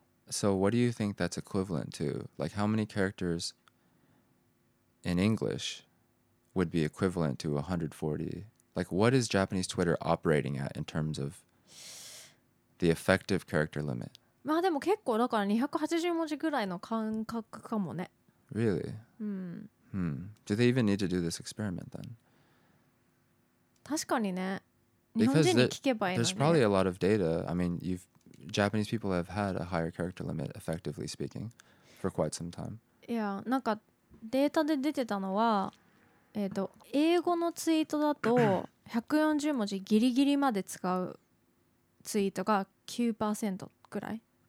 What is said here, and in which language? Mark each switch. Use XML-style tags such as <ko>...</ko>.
<en>So what do you think that's equivalent to? Like, how many characters in English would be equivalent to 140? Like, what is Japanese Twitter operating at in terms of the effective character limit?</en> <ja>まあでも結構だから280文字ぐらいの感覚かもね。</ja> <en>Really? うん。 Hmm. Do they even need to do this experiment then?</en> <ja>確かにね。日本人に聞けばいいのね。</ja> <en>There's probably a lot of data. I mean, Japanese people have had a higher character limit, effectively speaking, for quite some time.</en> <ja>いや、なんかデータで出てたのは、英語のツイートだと140文字ギリギリまで使うツイートが 9%。くらい。</ja>